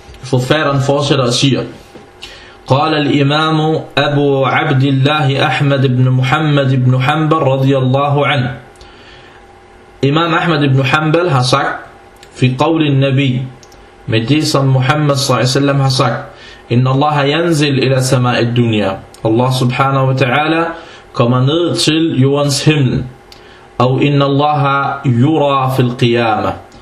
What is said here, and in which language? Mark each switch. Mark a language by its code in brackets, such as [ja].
[da] Forfatteren fortsætter og siger: [ar] قال الإمام أبو عبد الله أحمد بن محمد بن حنبل رضي الله عنه. إمام أحمد بن حنبل [da] har sagt [ar] في قول النبي [da] med det som [ar] محمد صلى الله عليه وسلم har sagt: إن الله ينزل إلى سماء الدنيا. [da] الله سبحانه وتعالى kommer ned til jordens himmel. [ar] أو إن الله يرى في القيامة.